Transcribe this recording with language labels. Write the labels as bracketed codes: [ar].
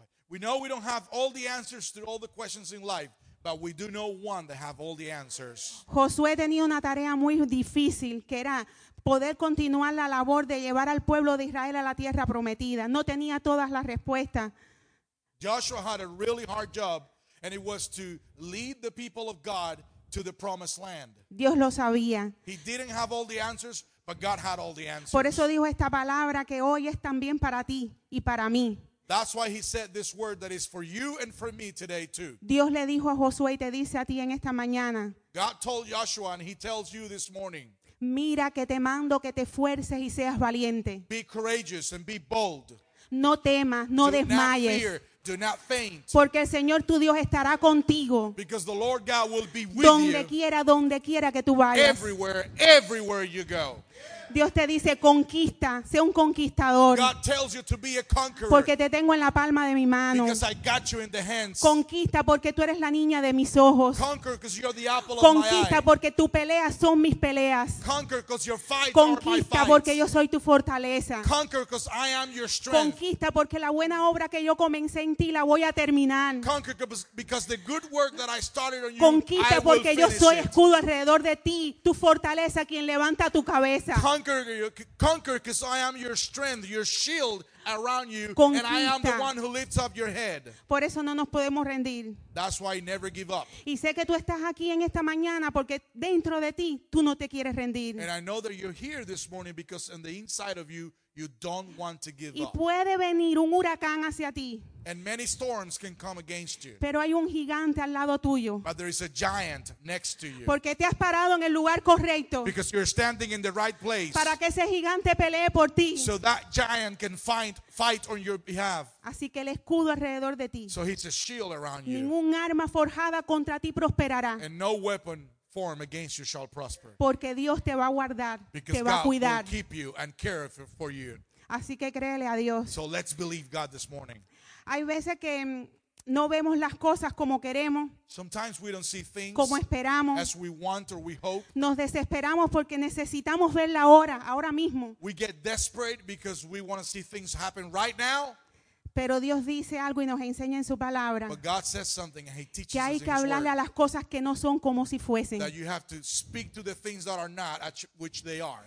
[en] We know we don't have all the answers to all the questions in life, but we do know one that have all the answers. [es] Josué tenía una tarea muy difícil, que era poder continuar la labor de llevar al pueblo de Israel a la tierra prometida. No tenía todas las respuestas. [en] Joshua had a really hard job, and it was to lead the people of God to the promised land. [es] Dios lo sabía. [en] He didn't have all the answers, but God had all the answers. [es] Por eso dijo esta palabra que hoy es también para ti y para mí. [en] That's why he said this word that is for you and for me today too. [es] Dios le dijo a Josué y te dice a ti en esta mañana. [en] God told Joshua and he tells you this morning. [es] Mira que te mando que te fuerces y seas valiente. [en] Be courageous and be bold. [es] No temas, no desmayes. [en] Do not fear, do not faint. [es] Porque el Señor tu Dios estará contigo. [en] Because the Lord God will be with you. [es] Donde quiera que tú vayas. [en] Everywhere you go. [es] Dios te dice, conquista, sé un conquistador. [en] God tells you to be a conqueror. [es] Porque te tengo en la palma de mi mano. [en] Because I got you in the hands. [es] Conquista porque tú eres la niña de mis ojos. [en] Conquer because you're the apple of my eye. [es] Conquista porque tu pelea son mis peleas. [en] Conquer because your fight are my fights. [es] Conquista porque yo soy tu fortaleza. [en] Conquer because I am your strength. [es] Conquista porque la buena obra que yo comencé en ti la voy a terminar. [en] Conquer because the good work that I started on you. [es] Conquista porque yo soy escudo alrededor de ti, tu fortaleza, quien levanta tu cabeza. [en] Conquer because I am your strength, your shield around you. [es] Conquista. [en] And I am the one who lifts up your head. [es] Por eso no nos podemos rendir. [en] That's why I never give up. [es] Y sé que tú estás aquí en esta mañana porque dentro de ti tú no te quieres rendir. [en] And I know that you're here this morning because in the inside of you, you don't want to give [es] y [en] up. [es] Y puede venir un huracán hacia ti. [en] And many storms can come against you. [es] Pero hay un gigante al lado tuyo. [en] But there is a giant next to you. [es] Porque te has parado en el lugar correcto. [en] Because you're standing in the right place. [es] Para que ese gigante pelee por ti. [en] So that giant can fight on your behalf. [es] Así que el escudo alrededor de ti. [en] So he's a shield around you. [es] Ningún arma forjada contra ti prosperará. [en] And no weapon form against you shall prosper. [es] Porque Dios te va a guardar, [en] because [es] te va [en] God [es] a cuidar. [en] Will keep you and care for you. [es] Así que créele a Dios. [en] So let's believe God this morning. [es] Hay veces que no vemos las cosas como queremos. [en] Sometimes we don't see things [es] como esperamos. [en] As we want or we hope. [es] Nos desesperamos porque necesitamos ver la hora, ahora mismo. [en] We get desperate because we want to see things happen right now. [es] Pero Dios dice algo y nos enseña en su palabra. [en] But God says something and he teaches [es] que hay que hablarle [en] word, [es] a las cosas que no son como si fuesen. [en] That you have to speak to the things that are not, which they are.